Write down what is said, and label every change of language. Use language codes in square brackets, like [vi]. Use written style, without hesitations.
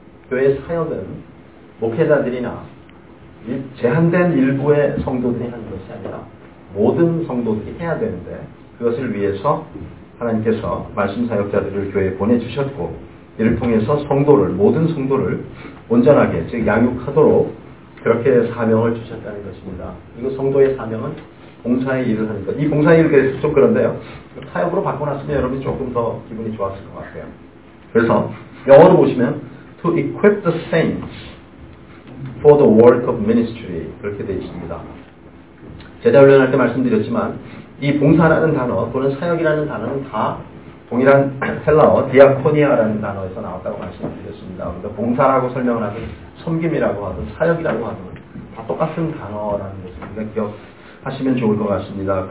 [ko] 교회 사역은 목회자들이나 제한된 일부의 성도들이 하는 것이 아니라 모든 성도들이 해야 되는데 그것을 위해서 하나님께서 말씀 사역자들을 교회에 보내주셨고 이를 통해서 성도를, 모든 성도를 온전하게, 즉 양육하도록 그렇게 사명을 주셨다는 것입니다. 그리고 성도의 사명은 봉사의 일을 하는 것. 이 봉사의 일을 계속 좀 그런데요. 사역으로 바꿔놨으면 여러분이 조금 더 기분이 좋았을 것 같아요. 그래서 영어로 보시면 [en] To equip the saints for the work of ministry [ko] 그렇게 되어 있습니다. 제자 훈련할 때 말씀드렸지만 이 봉사라는 단어 또는 사역이라는 단어는 다 동일한 헬라어 디아코니아라는 단어에서 나왔다고 말씀드렸습니다. 그러니까 봉사라고 설명을 하든 섬김이라고 하든 사역이라고 하든 다 똑같은 단어라는 것을 우리가 기억하시면 좋을 것 같습니다.